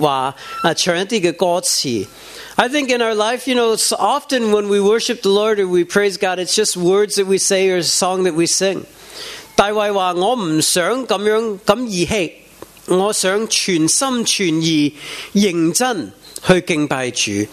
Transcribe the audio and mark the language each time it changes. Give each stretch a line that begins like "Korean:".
Chinese: 我觉得在我们人生的时候,我们很多时候我们赞美主,可能就是用一些说话,唱一些歌词。
English: I think in our life, you know, often when we worship the Lord or we praise God, it's just words that we say or a song that we sing.
Chinese: 大卫说,我不想这样,这么义气。我想全心全意认真去敬拜主。